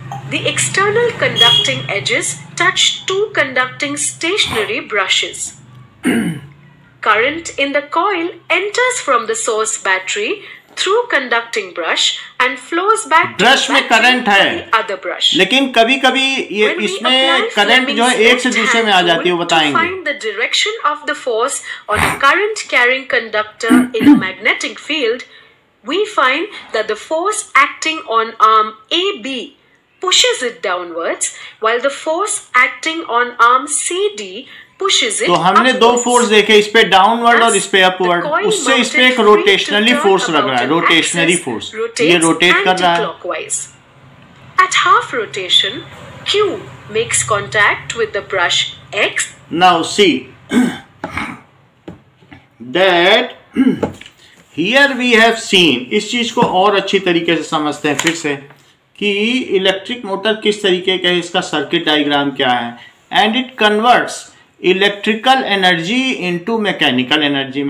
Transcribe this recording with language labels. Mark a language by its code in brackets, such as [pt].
[en] The external conducting edges touch two conducting stationary brushes. Current in the coil enters from the source battery through conducting brush and flows back brush to the battery current through The other brush. [hi] लेकिन कभी कभी ये इसमें current जो है एक से दूसरे में आ जाती है, वो बताएंगे। [en] Find the direction of the force on a current carrying conductor in a magnetic field, we find that the force acting on arm AB pushes it downwards, while the force acting on arm CD [hi] तो हमने दो force देखे, इस पे downward और इस पे upward, उससे इस पे एक रोटेशनली फोर्स लग रहा है, रोटेशनरी फोर्स, ये रोटेट कर रहा है। [en] At half rotation, Q makes contact with the brush X. Now see that here we have seen, [hi] इस चीज को और अच्छी तरीके से समझते हैं फिर से कि इलेक्ट्रिक मोटर किस तरीके का है, इसका सर्किट डायग्राम क्या है, [en] And it converts electrical energy into mechanical energy.